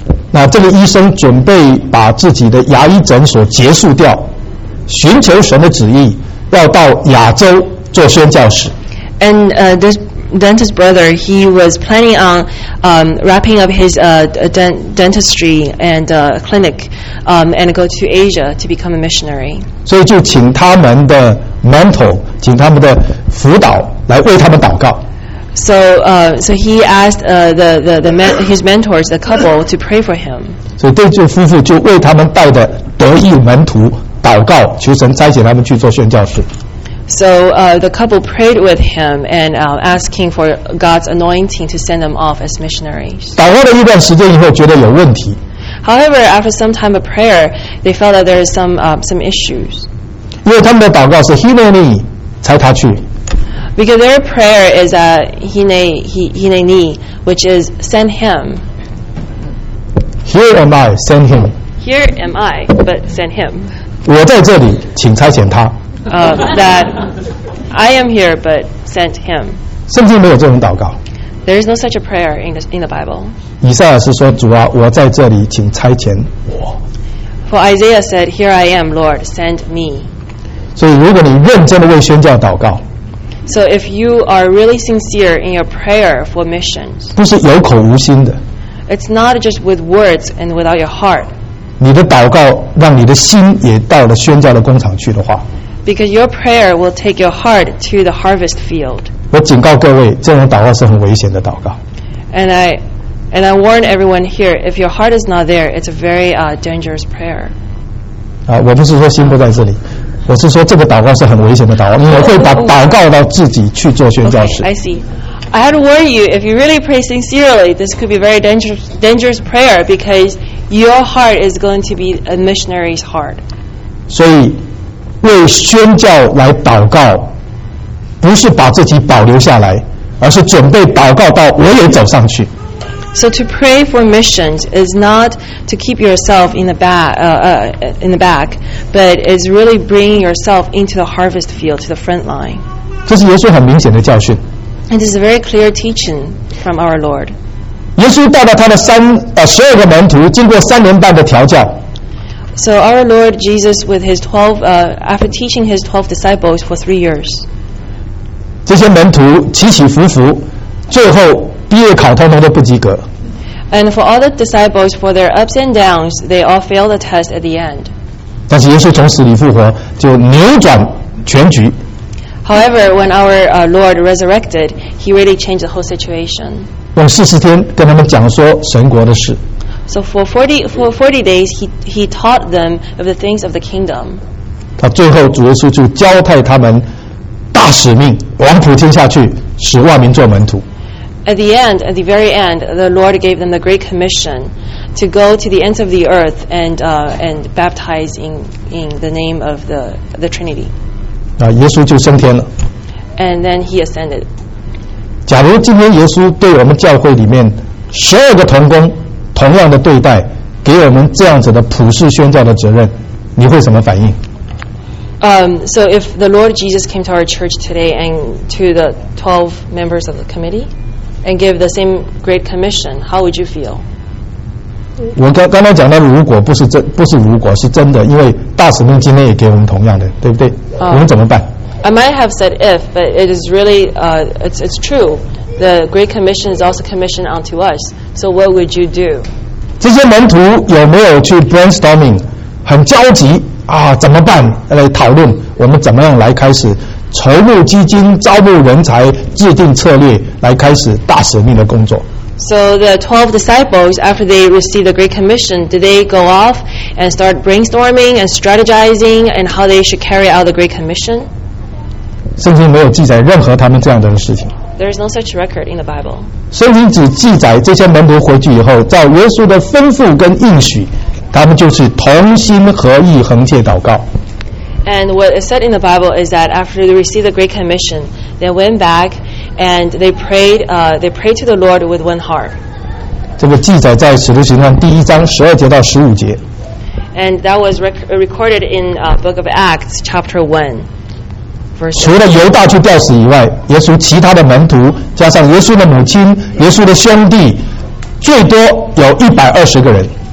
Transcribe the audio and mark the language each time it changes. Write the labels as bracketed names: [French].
[Chinese] 那这个医生准备把自己的牙医诊所结束掉，寻求神的旨意，要到亚洲做宣教士。 [English] And this dentist brother, he was planning on wrapping up his dentistry and clinic and go to Asia to become a missionary. [Chinese] 所以就请他们的mentor 请他们的辅导来为他们祷告。 [English] So he asked his mentors, the couple, to pray for him. [Chinese] 所以这对夫妇就为他们带的得意门徒祷告，求神差遣他们去做宣教士。 [English] So the couple prayed with him and asking for God's anointing to send them off as missionaries. [Chinese] 祷告了一段时间以后，觉得有问题。 [English] However, after some time of prayer, they felt that there is some issues. [Chinese] 因为他们的祷告是 Hineni 才他去。 [English] Because their prayer is that Hineni, which is send him. Here am I, send him. Here am I, but send him. [Chinese] 我在这里，请差遣他。 [English] That I am here, but sent him. [Chinese] 圣经没有这种祷告。 [English] There is no such a prayer in the Bible. [Chinese] 以赛亚是说，主啊，我在这里，请差遣我。 [English] For Isaiah said, "Here I am, Lord, send me." [Chinese] 所以，如果你认真的为宣教祷告 [English] ，So if you are really sincere in your prayer for missions, [Chinese] 不是有口无心的 [English] ，It's not just with words and without your heart. [Chinese] 你的祷告让你的心也到了宣教的工厂去的话。 [English] Because your prayer will take your heart to the harvest field. [Chinese] 我警告各位，这种祷告是很危险的祷告。 [English] And I warn everyone here, if your heart is not there, it's a very dangerous prayer. [Chinese] 我不是说心不在这里，我是说这个祷告是很危险的祷告。你会把祷告到自己去做宣教士。 [English] Okay, I see. I had to warn you, if you really pray sincerely, this could be a very dangerous prayer because your heart is going to be a missionary's heart. [Chinese] 所以为宣教来祷告，不是把自己保留下来，而是准备祷告到我也走上去。 [English] So to pray for missions is not to keep yourself in the back, but is really bringing yourself into the harvest field, to the front line. [Chinese] 这是耶稣很明显的教训。 [English] It is a very clear teaching from our Lord. [Chinese] 耶稣带了他的12个门徒，经过三年半的调教。 [English] So our Lord Jesus with his 12, after teaching his 12 disciples for 3 years. [Chinese] 这些门徒起起伏伏，最后毕业考通通都不及格。 [English] And for all the disciples, for their ups and downs, they all failed the test at the end. [Chinese] 但是耶稣从死里复活，就扭转全局。 [English] However, when our Lord resurrected, he really changed the whole situation. [Chinese] 用40天跟他们讲说神国的事。 [English] So for 40 days, he taught them of the things of the kingdom. [Chinese] 他最后主耶稣就交派他们大使命，往普天下去，使万民做门徒。 [English] At the end, at the very end, the Lord gave them the great commission to go to the ends of the earth and baptize in the name of the Trinity. [Chinese] 耶稣就升天了。 [English] And then he ascended. [Chinese] 假如今天耶稣对我们教会里面12个同工同样的对待，给我们这样子的普世宣教的责任，你会什么反应？ [English] So if the Lord Jesus came to our church today and to the 12 members of the committee and give the same great commission, how would you feel? [Chinese] 我刚才讲到如果不是如果是真的，因为大使命今天也给我们同样的，对不对？我们怎么办？ [English] I might have said if, but it is really it's true. The great commission is also commissioned unto us. So what would you do? [Chinese] 这些门徒有没有去 brainstorming, 很焦急啊？怎么办？来讨论我们怎么样来开始筹募基金、招募人才、制定策略来开始大使命的工作。 [English] So the 12 disciples, after they received the Great Commission, did they go off and start brainstorming and strategizing and how they should carry out the Great Commission? [Chinese] 圣经没有记载任何他们这样的事情。 [English] There is no such record in the Bible. [Chinese] 圣经只记载这些门徒回去以后，照耶稣的吩咐跟应许，他们就是同心合意恒切祷告。 [English] And what is said in the Bible is that after they received the Great Commission, they went back and they prayed to the Lord with one heart. [Chinese] 这个记载在《使徒行传》第一章12节到15节。 [English] And that was recorded in Book of Acts, chapter 1. [Chinese] 除了犹大去吊死以外，耶稣其他的门徒加上耶稣的母亲、耶稣的兄弟，最多有120个人。